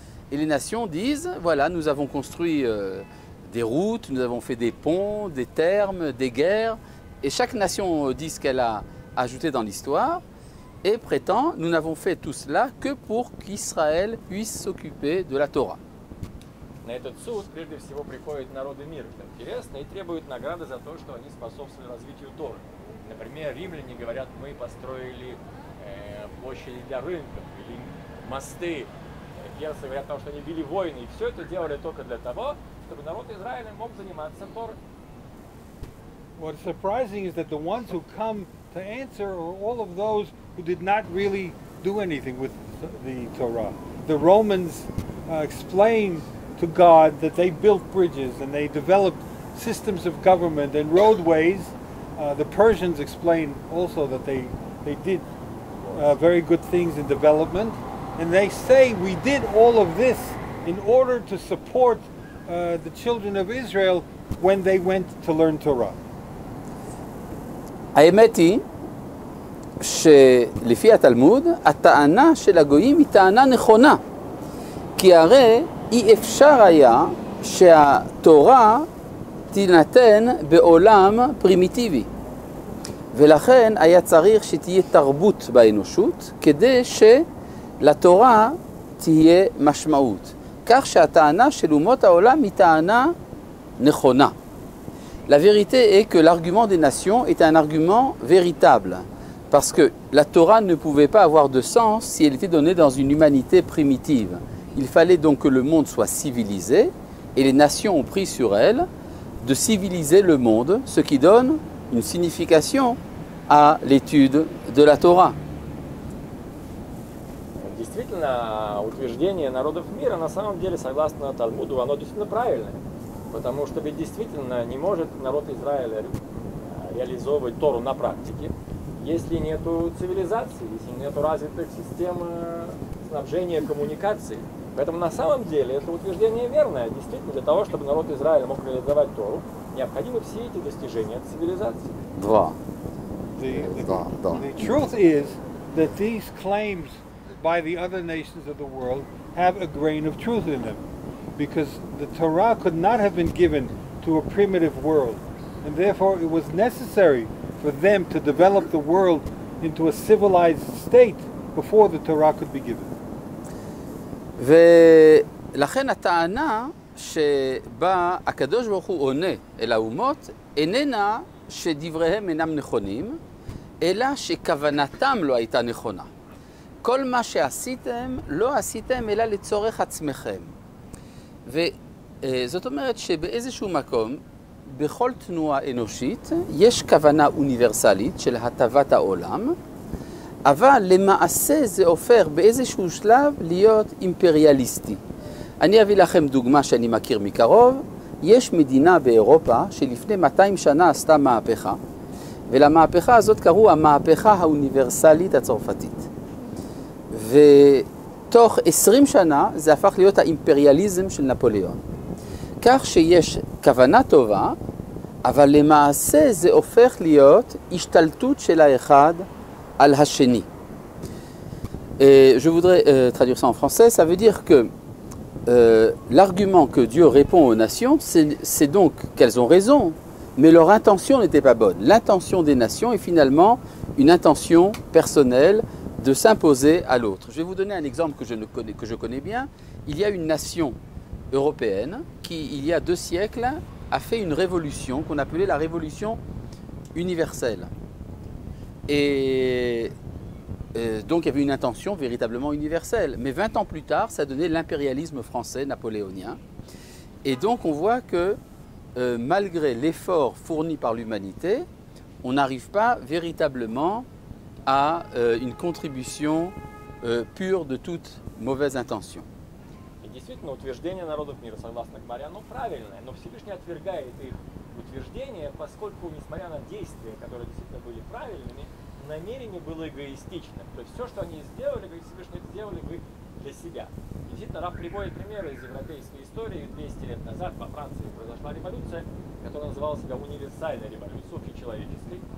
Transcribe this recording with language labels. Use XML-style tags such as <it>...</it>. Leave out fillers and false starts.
<fr>Et les nations disent, voilà, nous avons construit des routes, nous avons fait des ponts, des thermes, des guerres, et chaque nation dit ce qu'elle a ajouté dans l'histoire. Et prétend, nous n'avons fait tout cela que pour qu'Israël puisse s'occuper de la Torah.</fr> <ru>На этот суд прежде всего приходят народы мира, это интересно, и требуют награды за то, что они способствовали развитию Торы. Например, римляне говорят, мы построили площади для рынков, или мосты, герцог, говорят о том, что они вели войны, и все это делали только для того, чтобы народ Израиля мог заниматься Торой.</ru> <en>What's surprising is that the ones who come to answer are all of those who did not really do anything with the Torah. The Romans explain to God that they built bridges and they developed systems of government and roadways. The Persians explain also that they did very good things in development. And they say, we did all of this in order to support the children of Israel when they went to learn Torah.</en> <he>האמת היא שלפי התלמוד, הטענה של הגויים היא טענה נכונה, כי הרי אי אפשר היה שהתורה תינתן בעולם פרימיטיבי, ולכן היה צריך שתהיה תרבות באנושות כדי שלתורה תהיה משמעות. כך שהטענה של אומות העולם היא טענה נכונה.</he> <fr>La vérité est que l'argument des nations est un argument véritable, parce que la Torah ne pouvait pas avoir de sens si elle était donnée dans une humanité primitive. Il fallait donc que le monde soit civilisé, et les nations ont pris sur elles de civiliser le monde, ce qui donne une signification à l'étude de la Torah.</fr> <ru>Действительно, утверждение народов мира, на самом деле, согласно Талмуду, оно действительно правильное. Потому что ведь действительно не может народ Израиля реализовывать Тору на практике, если нет цивилизации, если нет развитых систем снабжения, коммуникаций. Поэтому на самом деле это утверждение верное. Действительно, для того, чтобы народ Израиля мог реализовать Тору, необходимы все эти достижения цивилизации. Два.</ru> <en>The truth is that these claims by the other nations of the world have a grain of truth in them. Because the Torah could not have been given to a primitive world, and therefore it was necessary for them to develop the world into a civilized state before the Torah could be given.</en> <he>ולכן הטענה שבה הקדוש ברוך הוא עונה אל האומות איננה שדבריהם אינם נכונים, אלא שכוונתם לא הייתה נכונה. כל מה שעשיתם לא עשיתם אלא לצורך עצמכם. וזאת אומרת שבאיזשהו מקום, בכל תנועה אנושית, יש כוונה אוניברסלית של הטבת העולם, אבל למעשה זה הופך באיזשהו שלב להיות אימפריאליסטי. אני אביא לכם דוגמה שאני מכיר מקרוב. יש מדינה באירופה שלפני 200 שנה עשתה מהפכה, ולמהפכה הזאת קראו המהפכה האוניברסלית הצרפתית. ו... תוך 20 שנה זה הפך להיות האימפריאליזם של נפוליאון. כך שיש כוונה טובה, אבל למעשה זה הופך להיות השתלטות של האחד על השני.</he> <fr>Je voudrais traduire ça en français. Ça veut dire que l'argument que Dieu répond aux nations, c'est donc qu'elles ont raison, mais leur intention n'était pas bonne. L'intention des nations est finalement une intention personnelle, de s'imposer à l'autre. Je vais vous donner un exemple que je connais bien. Il y a une nation européenne qui, il y a deux siècles, a fait une révolution qu'on appelait la révolution universelle. Et donc il y avait une intention véritablement universelle. Mais 20 ans plus tard, ça donnait l'impérialisme français napoléonien. Et donc on voit que malgré l'effort fourni par l'humanité, on n'arrive pas véritablement à une contribution pure de toute mauvaise intention.</fr> <ru>Et действительно, утверждение народов мира, согласно Гмаре, оно правильное, но Всевышний отвергает их утверждение, поскольку, несмотря на действия, которые действительно были правильными, намерение было эгоистичным. То есть все, что они сделали, как Всевышний, это сделали бы для себя. Действительно, Раб приводит примеры из европейской истории. 200 лет назад во Франции произошла революция, которая называлась себя универсальной революцией общечеловеческой.</ru>